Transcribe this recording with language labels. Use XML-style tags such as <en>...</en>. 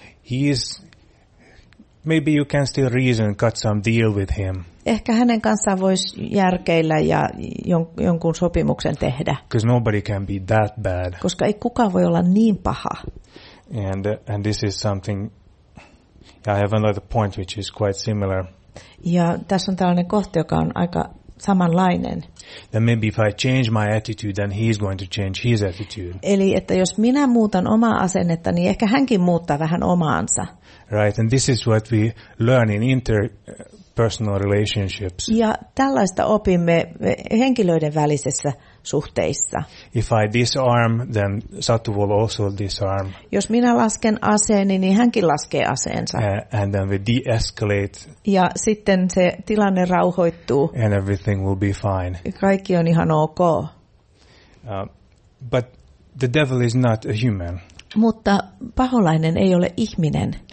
<en>He is, maybe you can still reason, cut some deal with him.</en> <fi>Ehkä hänen kanssaan voisi järkeillä ja jonkun sopimuksen tehdä.</fi> <en>Because nobody can be that bad.</en> <fi>Koska ei kukaan voi olla niin paha.</fi> <en>And this is something, I have another point which is quite similar.</en> <fi>Ja tässä on tällainen kohta, joka on aika samanlainen.</fi> <en>Then maybe if I change my attitude, then he is going to change his attitude.</en> <fi>Eli että jos minä muutan omaa asennetta, niin ehkä hänkin muuttaa vähän omaansa.</fi> <en>Right, and this is what we learn in interpersonal relationships.</en> <fi>Ja tällaista opimme henkilöiden välisessä suhteissa.</fi> <en>If I disarm, then Satu will also disarm.</en> <fi>Jos minä lasken aseeni, niin hänkin laskee aseensa.</fi> <en>And then we de-escalate.</en> <fi>Ja sitten se tilanne rauhoittuu.</fi> <en>And everything will be fine.</en> <fi>Kaikki on ihan ok.</fi> <en>But the devil is not a human.</en> <fi>Mutta paholainen ei ole ihminen.</fi>